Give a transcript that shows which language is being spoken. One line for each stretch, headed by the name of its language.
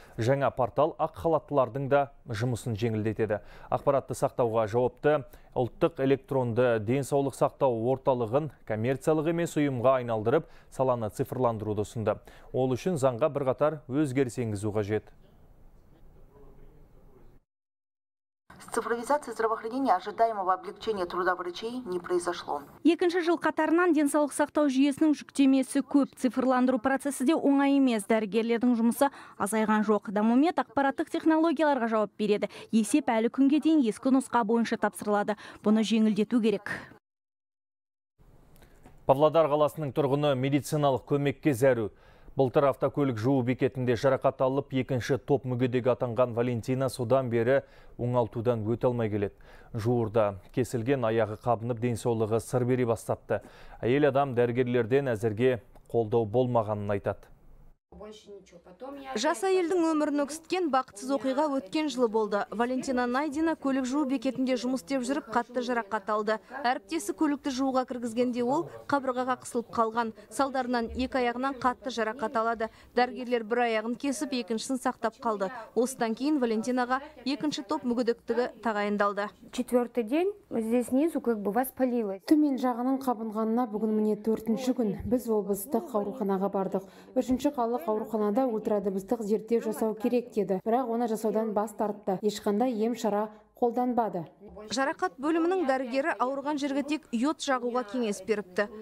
Kazakh: Жаңа портал ақ халаттылардың да жұмысын жеңілдетеді. Ақпаратты сақтауға жауапты ұлттық электронды денсаулық сақтау орталығын коммерциялық емес ұйымға айналдырып, саланы цифрландыруды ұсынды. Ол үшін заңға бірқатар өзгеріс енгізу қажет.
Russian: Цифровизация здравоохранения ожидаемого облегчения труда врачей не произошло.
Kazakh: Екінші жыл қатарынан денсаулық сақтау жүйесінің жүктемесі көп. Цифрландыру процесі де оңай емес. Дәрігерлердің жұмысы азайған жоқ. Дамумет ақпараттық технологияларға жауап береді. Есеп әлі күнге дейін ескі нұсқа бойынша тапсырылады. Бұны жеңілдету керек. Павлодар қаласының тұрғыны медициналық көмекке зәру. Былтыр автокөлік жуу бекетінде жарақат алып, екінші топ мүгедегі атанған Валентина содан бері оңалтудан өте алмай келеді. Жуырда кесілген аяғы қабынып, денсаулығы сыр бере бастапты. Әйел адам дәрігерлерден әзірге қолдау болмағанын айтады. Жас әйелдің өмірін өксіткен бақытсыз оқиға өткен жылы болды. Валентина Найдина көлік жуу бекетінде жұмыс істеп жүріп қатты жарақат алды. Әріптесі көлікті жууға кіргізгенде ол қабырғаға қысылып қалған. Салдарынан екі аяғынан қатты жарақат алады. Дәрігерлер бір аяғын кесіп, екіншісін сақтап қалды. Осыдан кейін Валентинаға екінші топ мүгедектігі тағайындалды.
Russian: Четвертый день здесь снизу как бы воспалилось.
Kazakh: Төмен жағының қабынғанына бүгін міне 4-ші күн. Біз облыстық ауруханаға бардық. 3-ші қалалық ауруханада ультрадыбыстық зерттеу жасау керек деді. Бірақ оны жасаудан бас тартты. Ешқандай ем-шара қолданбады. Жарақат бөлімінің дәрігері ауырған жерге тек йод жағуға кеңес беріпті.